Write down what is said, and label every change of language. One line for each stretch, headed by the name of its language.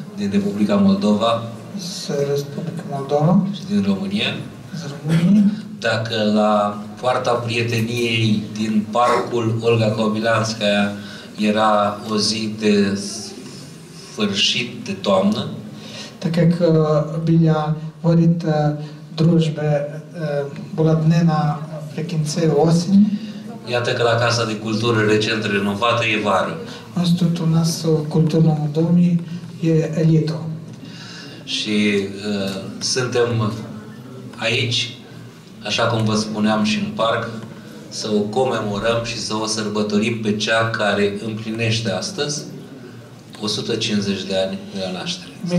Romanian: din Republica Moldova,
Ukrainian: z Republica Moldova,
Romanian: și din România,
Ukrainian: z România.
Romanian: Dacă la poarta prieteniei din parcul Olga Kobilanskaya era o zi de sfârșit de toamnă,
Ukrainian: так як біля воріт дружби була днина при кінці осені.
Romanian: Iată că la Casa de Cultură recent renovată e vară. Astăzi
Ukrainian: у нас в культурному домі є літо.
Romanian: Și suntem aici, așa cum vă spuneam și în parc, să o comemorăm și să o sărbătorim pe cea care împlinește astăzi 150 de ani de la naștere.